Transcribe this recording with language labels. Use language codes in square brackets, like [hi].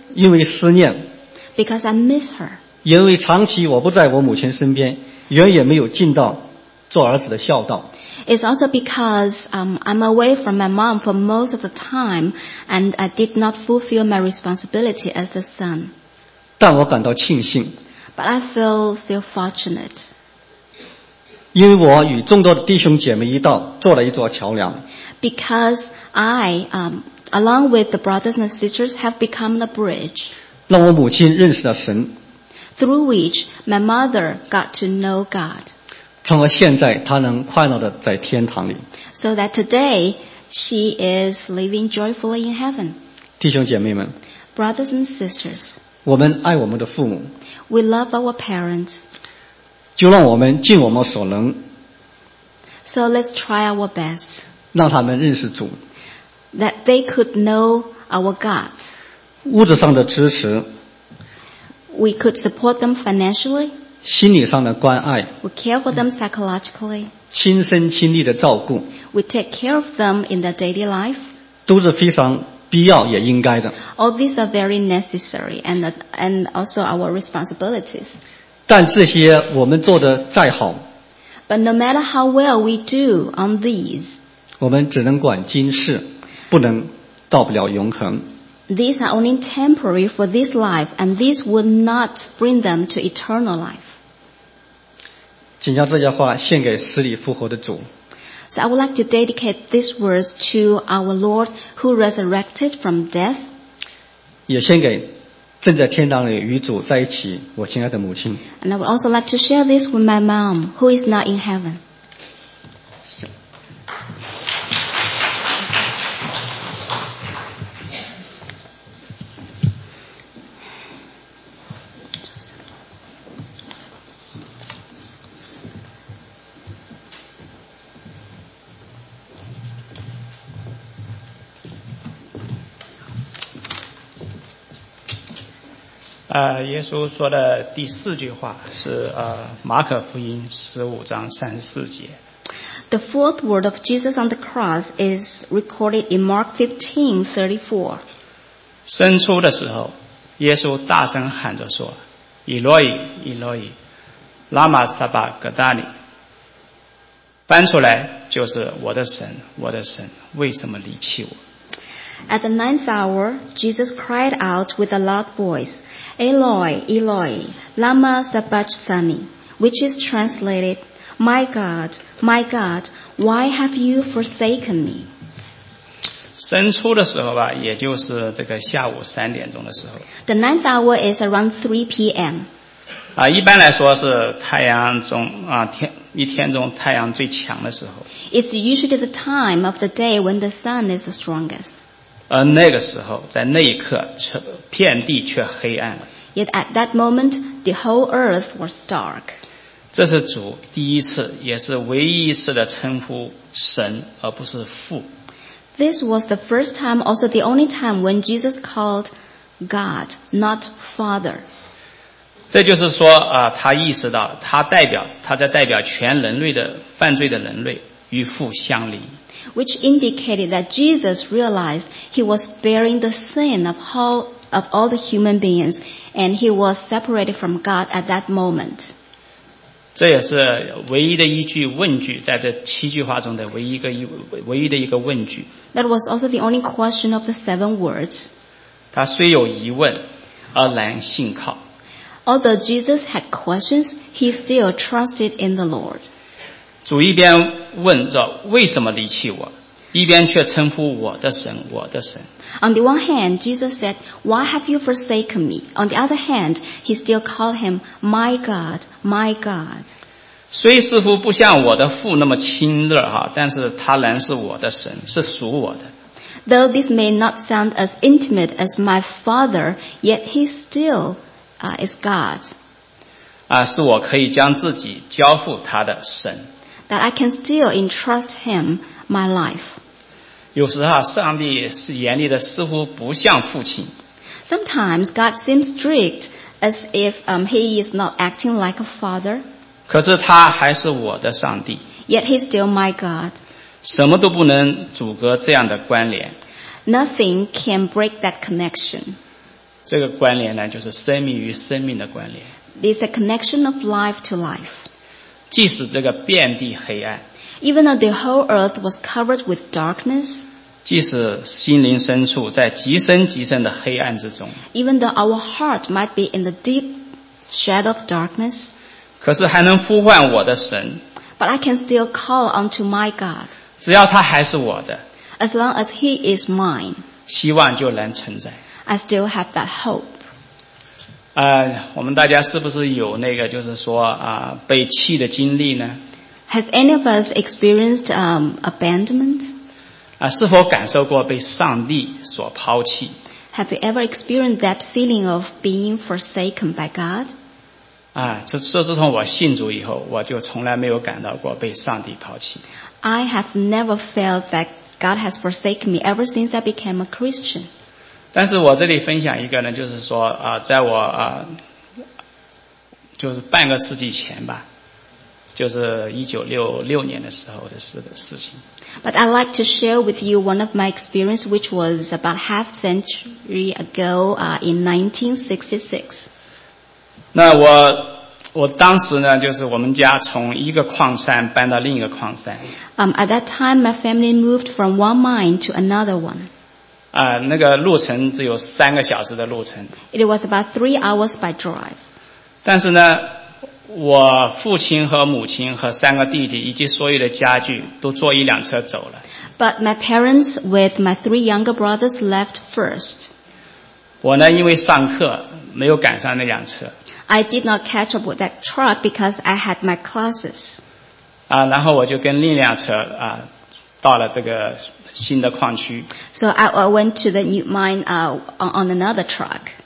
[zh] 因为思念。 [en] Because I miss her. [zh] 因为长期我不在我母亲身边，远也没有尽到做儿子的孝道。 [en] It's also because I'm away from my mom for most of the time, and I did not fulfill my responsibility as the son. [zh] 但我感到庆幸。 [en] But I feel fortunate. [zh] 因为我与众多的弟兄姐妹一道做了一座桥梁。 [en] Because I, along with the brothers and sisters, have become the bridge. [zh] 让我母亲认识了神。 [en] Through which my mother got to know God. [zh] 从而现在她能快乐地在天堂里。 [en] So that today she is living joyfully in heaven. [zh] 弟兄姐妹们。 [en] Brothers and sisters. [zh] 我们爱我们的父母。 [en] We love our parents. [zh] 就让我们尽我们所能。 [en] So let's try our best. [zh] 让他们认识主。 [en] That they could know our God. [zh] 物质上的支持。 [en] We could support them financially. [zh] 心理上的关爱。 [en] We care for them psychologically. [zh] 亲身亲历的照顾。 [en] We take care of them in their daily life. [zh] 都是非常必要也应该的。 [en] All these are very necessary and also our responsibilities. [zh] 但这些我们做得再好。 [en] But no matter how well we do on these. [zh] 我们只能管今世。不能到不了永恒。 [en] These are only temporary for this life, and this will not bring them to eternal life. [zh] 请将这些话献给死里复活的主。 [en] So I would like to dedicate these words to our Lord who resurrected from death. [zh] 也献给正在天堂里与主在一起我亲爱的母亲。 [en] And I would also like to share this with my mom who is not in heaven. [zh] 耶稣说的第四句话是马可福音十五章三十四节。 [en] The fourth word of Jesus on the cross is recorded in Mark 15:34. [zh] 伸出的时候，耶稣大声喊着说：“以诺伊，以诺伊，拉玛撒巴格达尼。” 翻出来就是我的神，我的神，为什么离弃我？ [en] At the ninth hour, Jesus cried out with a loud voice, [arc] Eloi, Eloi, lama sabachthani, [en] which is translated, My God, my God, why have you forsaken me? [zh] 伸出的时候吧，也就是这个下午三点钟的时候。 [en] The ninth hour is around 3 p.m. [zh] 一般来说是太阳中一天中太阳最强的时候。 [en] It's usually the time of the day when the sun is the strongest. [zh] 而那个时候在那一刻遍地却黑暗了。 [en] Yet at that moment, the whole earth was dark. [zh] 这是主第一次也是唯一一次的称呼神而不是父。 [en] This was the first time, also the only time when Jesus called God, not Father. [zh] 这就是说他意识到他在代表全人类的犯罪的人类与父相离。 [en] Which indicated that Jesus realized he was bearing the sin of all the human beings and he was separated from God at that moment. [zh] 这也是唯一的一句问句在这七句话中的唯一的一个问句。 [en] That was also the only question of the seven words. [zh] 他虽有疑问而然信靠。 [en] Although Jesus had questions, he still trusted in the Lord. [zh] 主一边问着为什么离弃我，一边却称呼我的神，我的神。 [en] On the one hand, Jesus said, "Why have you forsaken me?" On the other hand, he still called him, "My God, my God." [zh] 虽似乎不像我的父那么亲热哈，但是他仍是我的神，是属我的。 [en] Though this may not sound as intimate as my father, yet he still, is God. [zh] 是我可以将自己交付他的神。 [en] That I can still entrust him my life. [zh] 有时候上帝是严厉的似乎不像父亲。 [en] Sometimes God seems strict as if he is not acting like a father. [zh] 可是他还是我的上帝。 [en] Yet he's still my God. [zh] 什么都不能阻隔这样的关联。 [en] Nothing can break that connection. [zh] 这个关联呢就是生命与生命的关联。 [en] It's a connection of life to life. [zh] 即使这个遍地黑暗 [en] Even though the whole earth was covered with darkness [zh] 即使心灵深处在极深极深的黑暗之中 [en] Even though our heart might be in the deep shadow of darkness [zh] 可是还能呼唤我的神 [en] But I can still call unto my God [zh] 只要他还是我的 [en] As long as he is mine [zh] 希望就能存在 [en] I still have that hope [zh] 我们大家是不是有那个就是说被弃的经历呢？ [en] Has any of us experienced abandonment? [zh] 是否感受过被上帝所抛弃？ [en] Have you ever experienced that feeling of being forsaken by God? [zh] 这自从我信主以后，我就从来没有感到过被上帝抛弃。 [en] I have never felt that God has forsaken me ever since I became a Christian. [zh] 但是我这里分享一个呢，就是说在我就是半个世纪前吧，就是1966年的时候的事情。 [en] But I'd like to share with you one of my experience, which was about half century ago, in 1966. [zh] 那我当时呢，就是我们家从一个矿山搬到另一个矿山。 [en] At that time, my family moved from one mine to another one. [zh] 那个路程只有三个小时的路程。 [en] It was about 3 hours by drive. [zh] 但是呢，我父亲和母亲和三个弟弟以及所有的家具都坐一辆车走了。 [en] But my parents with my 3 younger brothers left first. [zh] 我呢，因为上课没有赶上那辆车。 [en] I did not catch up with that truck because I had my classes. [zh] 然后我就跟另一辆车到了这个新的矿区。 [en] So I went to the new mine on another truck.